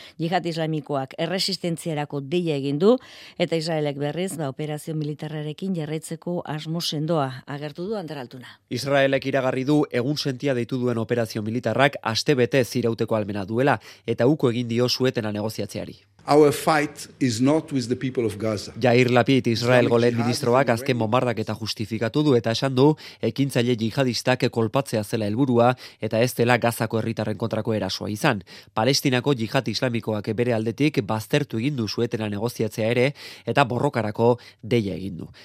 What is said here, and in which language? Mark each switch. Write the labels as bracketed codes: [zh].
[eu] Jihad Islamikoak erresistentziarako deia egin du eta Israelek berriz ba operazio militarrarekin jarraitzeko asmo sendoa agertu du Ander Altuna. Israelek iragarri du egun sentia deitu duen operazio militarrak aste bete zirauteko almena duela eta uko egin dio suetena negoziatzeari. [en] Our fight is not with the people of Gaza. [eu] Jair Lapid, Israelgo lehen ministroak azken bombardak eta justifikatu du eta esan du ekintzaile jihadistak kolpatzea zela helburua eta ez dela Gazako herritarren kontrako erasoa izan. Palestinako Jihad Islamikoak bere aldetik baztertu egin du suetena negoziatzea ere eta borrokarako deia egin du.